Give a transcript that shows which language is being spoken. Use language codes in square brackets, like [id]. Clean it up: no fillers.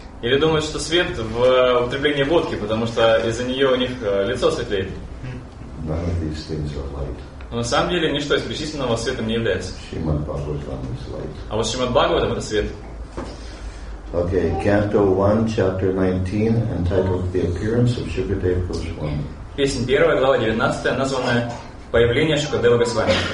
[ru] Или думают, что свет в употреблении водки, потому что из-за нее у них лицо светлеет. [en] None of these things are light. [ru] Но на самом деле ничто из причисленного светом не является. [en] Shrimad Bhagavatam is light. [ru] А вот Shrimad Bhagavatam — это свет. [en] Okay, Canto 1, Chapter 19, entitled The Appearance of Shukadeva Goswami. [ru] Песня первая, глава 19, названная «Появление Шукадевы Госвами».